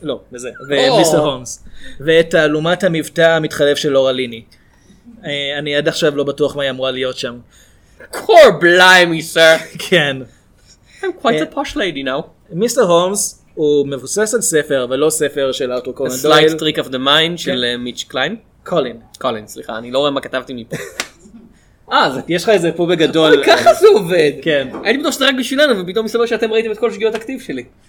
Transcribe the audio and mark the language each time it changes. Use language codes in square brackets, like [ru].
[he] לא, בזה. ומיסטר הולמס. ואת תעלומת המבטא המתחלף של לורה ליני. אני עד עכשיו לא בטוח מה היא אמורה להיות שם. [en] קור בליימי, סר. [he] כן. [en] I'm quite a posh lady now. [he] מיסטר הולמס הוא מבוסס על ספר, אבל לא ספר של ארתור קונן דויל. A Slight Trick of the Mind של מיץ' קליין. קולין. קולין, סליחה, אני לא רואה מה כתבתי מפה. יש לך איזה פה בגדול. ככה זה עובד. כן. הייתי בטוח שזה רק בשבילנו, ופתאום מסתבר שאתם ראיתם את כל שגיאות הכתיב שלי.